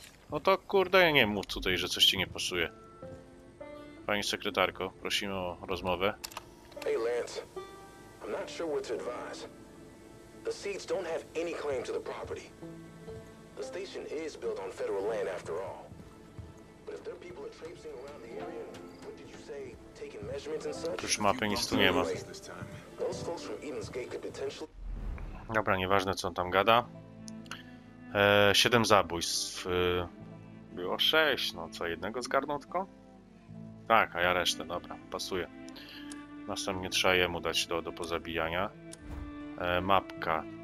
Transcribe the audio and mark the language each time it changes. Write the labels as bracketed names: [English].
[Polish] No to kurde, ja nie mów tutaj, że coś ci nie pasuje. Pani sekretarko, prosimy o rozmowę. [English] Hey Lance, I'm not sure what to advise. The Seeds don't have any claim to the property. The station is built on federal land after all. But if their people are traipsing around the area, what did you say, taking measurements and such? [Polish] Już mapy nic tu nie ma. [English] Those folks from Eden's Gate could potentially... [Polish] Dobra, nieważne co on tam gada. 7 zabójstw. Było 6, no co, jednego zgarnął tylko? Tak, a ja resztę, dobra, pasuje. Następnie trzeba jemu dać do pozabijania. Mapka.